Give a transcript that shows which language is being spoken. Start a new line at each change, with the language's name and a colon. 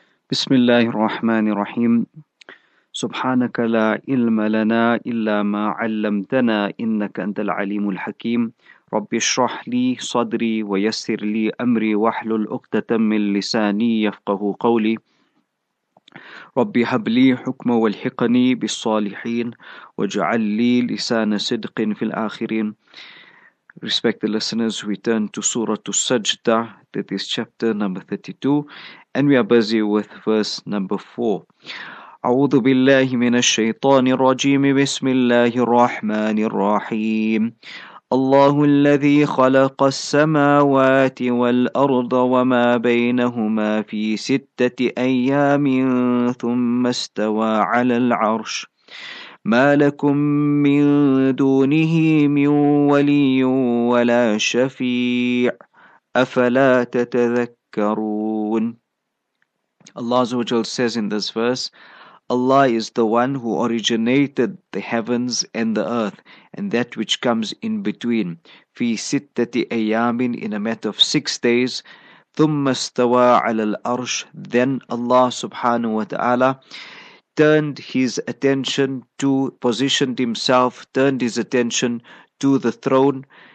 Arabic: بسم الله الرحمن الرحيم سبحانك لا علم لنا إلا ما علمتنا إنك أنت العليم الحكيم رب اشرح لي صدري ويسر لي أمري واحلل عقدة من لساني يفقه قولي رب هب لي حكما والحقني بالصالحين واجعل لي لسان صدق في الآخرين.
English: Respected listeners, we turn to Surah Al-Sajda, that is chapter number 32, and we are busy with verse number 4.
Arabic: أعوذ بالله من الشيطان الرجيم بسم الله الرحمن الرحيم الله الذي خلق السماوات والأرض وما بينهما في ستة أيام ثم استوى على العرش ما لكم من دونه من ولي ولا شفيع أفلا تتذكرون.
English: Allah Azza wa Jal says in this verse, Allah is the one who originated the heavens and the earth and that which comes in between.
Arabic: في ستة أيام,
English: in a matter of 6 days.
Arabic: ثم استوى على الأرش,
English: then Allah subhanahu wa ta'ala turned his attention to, positioned himself, turned his attention to the throne.